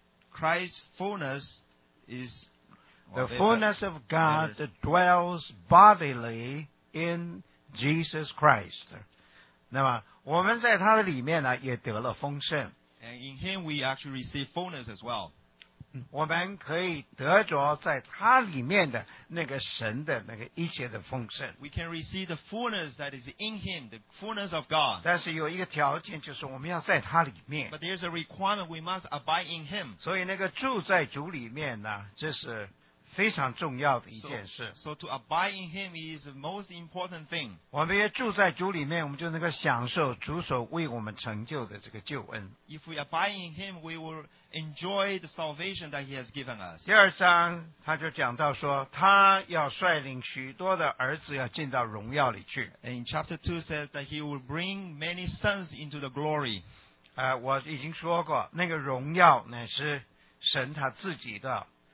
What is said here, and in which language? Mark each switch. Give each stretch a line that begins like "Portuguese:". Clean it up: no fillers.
English: Christ's fullness is the fullness of God dwells bodily in Jesus Christ.
Chinese: 那么我们在他的里面呢，也得了丰盛。
English: And in Him we actually receive fullness as well.
Chinese: 我们可以得着在他里面的那个神的那个一切的丰盛。
English: We can receive the fullness that is in Him, the fullness of God.
Chinese: 但是有一个条件，就是我们要在他里面。
English: But there's a requirement, we must abide in Him.
Chinese: 所以那个住在主里面呢，这是非常重要的一件事。
English: So to abide in Him is the most important thing.
Chinese: 我们也住在主里面，我们就能够享受主所为我们成就的这个救恩。
English: If we abide in Him, we will enjoy the salvation that He has given us.
Chinese: 第二章他就讲到说，他要率领许多的儿子要进到荣耀里去。
English: In chapter 2 says that He will bring many sons into the glory.
Chinese: 我已经说过，那个荣耀乃是神他自己的。